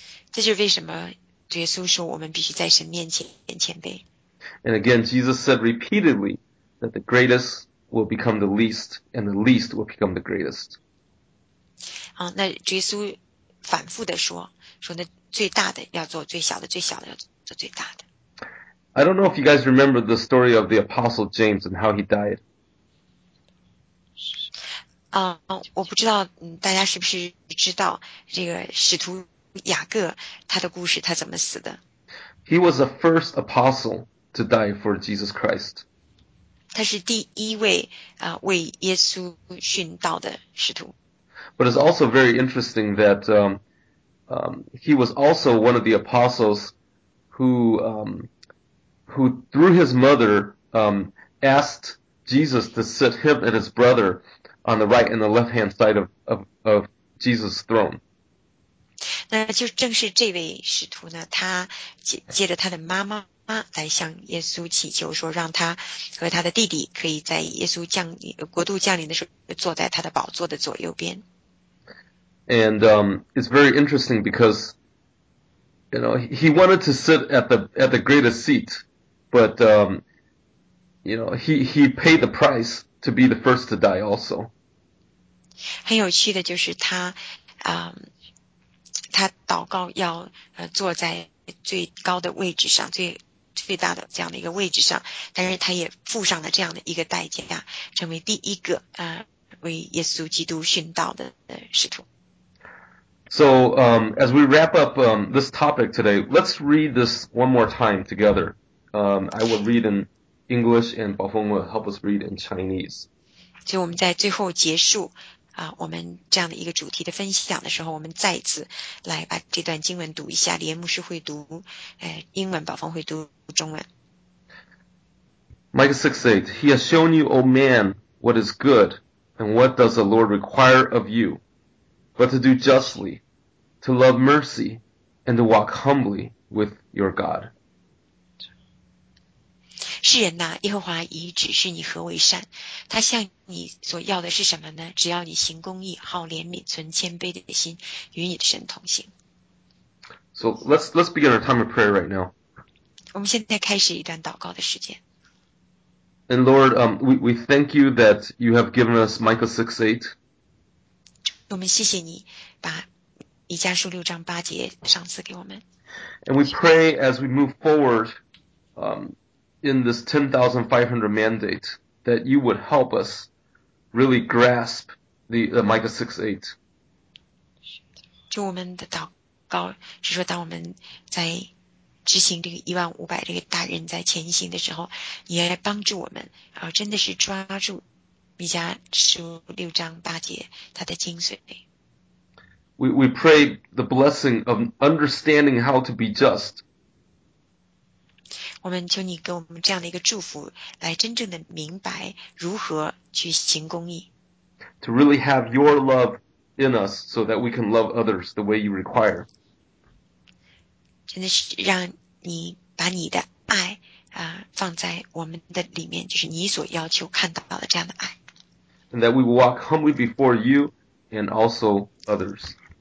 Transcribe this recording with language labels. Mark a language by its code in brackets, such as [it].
[zh] 这就是为什么耶稣说我们必须在神面前谦卑。 [en] And again, Jesus said repeatedly that the greatest will become the least, and the least will become the greatest. [zh] 那耶稣反复的说那最大的要做最小的，最小的要做最大的。 [en] I don't know if you guys remember the story of the Apostle James and how he died. [zh] 我不知道大家是不是知道这个使徒雅各他的故事，他怎么死的？ [en] He was the first apostle to die for Jesus Christ. [zh] 他是第一位为耶稣殉道的使徒。 [en] But it's also very interesting that he was also one of the apostles who through his mother asked Jesus to sit him and his brother on the right and the left hand side of Jesus' throne. [zh] 那就正是这位使徒呢，他借着他的妈妈来向耶稣祈求，说让他和他的弟弟可以在耶稣降临国度降临的时候坐在他的宝座的左右边。 [en] And it's very interesting because, you know, he wanted to sit at the greatest seat, but, you know, he paid the price to be the first to die also. [zh] 很有趣的就是他，他祷告要坐在最高的位置上，最大的这样的一个位置上，但是他也付上了这样的一个代价，成为第一个为耶稣基督殉道的使徒。 [en] So, as we wrap up this topic today, let's read this one more time together. I will read in English and Baofeng will help us read in Chinese. [zh] 所以我们在最后结束我们这样的一个主题的分享的时候，我们再次来把这段经文读一下，连牧师会读英文，宝峰会读中文。 [en] Micah 6:8, He has shown you, O man, what is good, and what does the Lord require of you, but to do justly, to love mercy, and to walk humbly with your God. [zh] 世人呐，耶和华已指示你何为善，他向你所要的是什么呢？只要你行公义，好怜悯，存谦卑的心，与你的神同行。 [en] So let's begin our time of prayer right now. [zh] 我们现在开始一段祷告的时间。 [en] And Lord, we thank you that you have given us Micah 6:8. [zh] 我们谢谢你把以加书六章八节赏赐给我们。 [en] And we pray as we move forward, in this 10,500 mandate. That you would help us really grasp the Micah 6:8. [zh] 就我们的祷告是说，当我们在执行这个1500这个大人在前行的时候，你要来帮助我们，真的是抓住弥迦书六章八节它的精髓。 [en] We pray the blessing of understanding how to be just. [zh] 我们求你给我们这样的一个祝福，来真正的明白如何去行公义。 [en] To really have your love in us, so that we can love others the way you require. [zh] 真的是让你把你的爱放在我们的里面，就是你所要求看到的这样的爱。 [en] And that we walk humbly before you and also others.